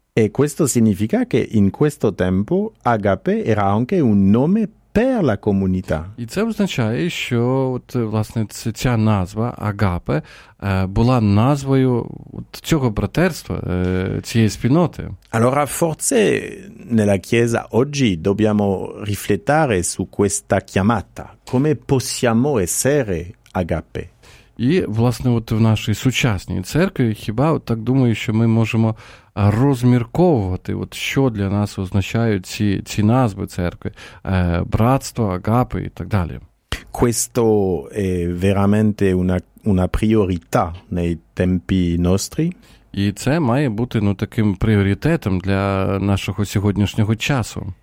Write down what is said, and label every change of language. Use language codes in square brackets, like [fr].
[it] E questo significa che in questo tempo Agape era anche un nome per la comunità. [uk] І це означає, що от, власне, ця назва Агапе була назвою от, цього братерства, цієї спільноти. [it] Allora forse nella Chiesa oggi dobbiamo riflettere su questa chiamata. Come possiamo essere Agape? [uk] І, власне, от в нашій сучасній церкві, хіба от так думаю, що ми можемо розмірковувати, от що для нас означають ці назви церкви, братство, агапи і так далі. [it] Questo è veramente una priorità nei tempi nostri. [uk] І це має бути, ну, таким пріоритетом для нашого сьогоднішнього часу.